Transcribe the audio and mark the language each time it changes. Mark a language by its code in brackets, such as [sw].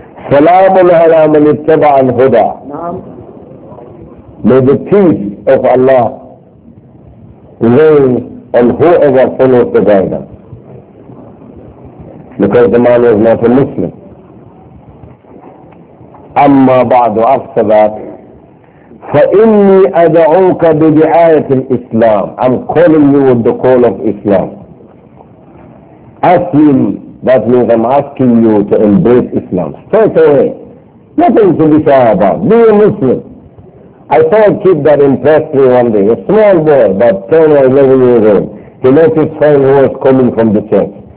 [ar] سلام على من اتبع الهدى. [en] May the peace of Allah reign on whoever follows the guidance. Because the man was not a Muslim. [ar] أما بعد أفسد فإني أدعوك بدعاية الإسلام. [en] I'm calling you with the call of Islam. [ar] أسلم. [en] That means I'm asking you to embrace Islam. Straight away. Nothing to be shy about. Be a Muslim. I saw a kid that impressed me one day. A small boy, about 10 or 11 years old. He met his friend who was coming from the church.